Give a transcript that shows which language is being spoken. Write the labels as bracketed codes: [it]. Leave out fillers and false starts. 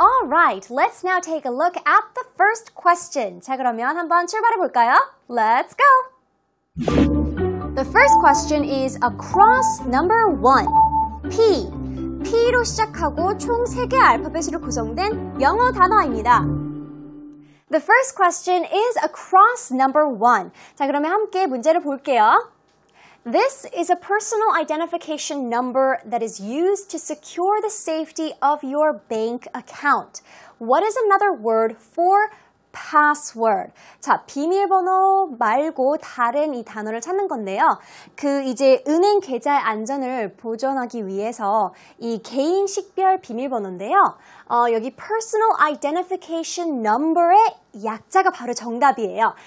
[en] Right, let's now take a look at the first question. [ko] 자, 그러면 한번 출발해 볼까요? [en] Let's go! The first question is across number 1. P. [ko] P로 시작하고 총 3개 알파벳으로 구성된 영어 단어입니다. [en] The first question is across number 1. [ko] 자, 그러면 함께 문제를 볼게요. [en] This is a personal identification number that is used to secure the safety of your bank account. What is another word for password? [ko] 자, 비밀번호 말고 다른 이 단어를 찾는 건데요. 그 이제 은행 계좌의 안전을 보전하기 위해서 이 개인 식별 비밀번호인데요. 여기 personal identification number의 약자가 바로 정답이에요.